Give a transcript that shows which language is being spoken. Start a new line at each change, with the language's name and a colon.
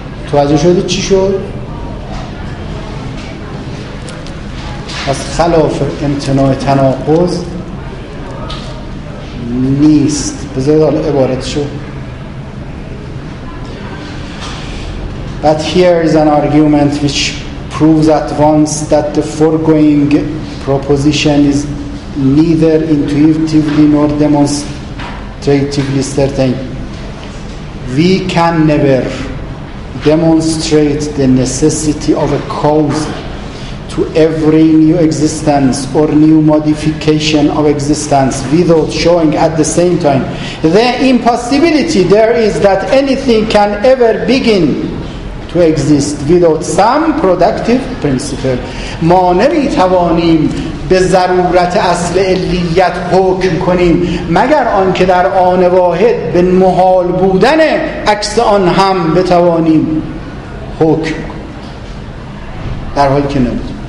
Persian: توجه شده چی شد؟ از خلاف امتناع تناقض نیست. بذارید حالا عبارتشو.
English: But here is an argument which proves at once that the foregoing proposition is neither intuitively nor demonstratively certain. We can never demonstrate the necessity of a cause to every new existence or new modification of existence without showing at the same time the impossibility there is that anything can ever begin to exist without some productive principle.
Persian: ما نمیتوانیم به ضرورت اصل علیت حکم کنیم مگر آن که در آن واحد به محال بودن عکس آن هم بتوانیم حکم کنیم، در حالی که نمیتوانیم.